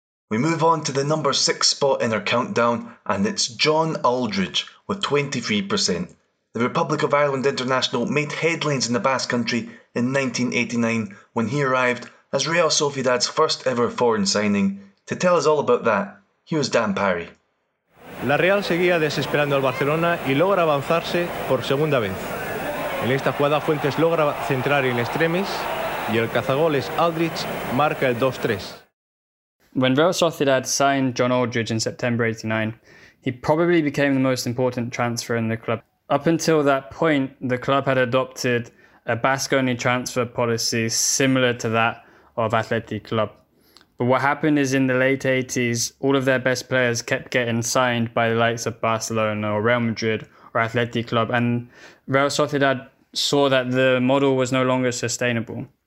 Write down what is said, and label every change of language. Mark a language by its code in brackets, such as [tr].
[en] We move on to the number 6 spot in our countdown, and it's John Aldridge with 23%. The Republic of Ireland international made headlines in the Basque Country in 1989 when he arrived as Real Sociedad's first ever foreign signing. To tell us all about that, here is Dan Parry. [es] La Real seguía desesperando al Barcelona y logra avanzarse por segunda vez. En esta jugada Fuentes logra centrar en extremis y el cazagoles Aldridge marca el 2-3. [en] When Real Sociedad signed John Aldridge in September 89, he probably became the most important transfer in the club. Up until that point, the club had adopted a Basque-only transfer policy similar to that of Athletic Club. But what happened is in the late 80s, all of their best players kept getting signed by the likes of Barcelona or Real Madrid or Athletic Club, and Real Sociedad saw that the model was no longer sustainable.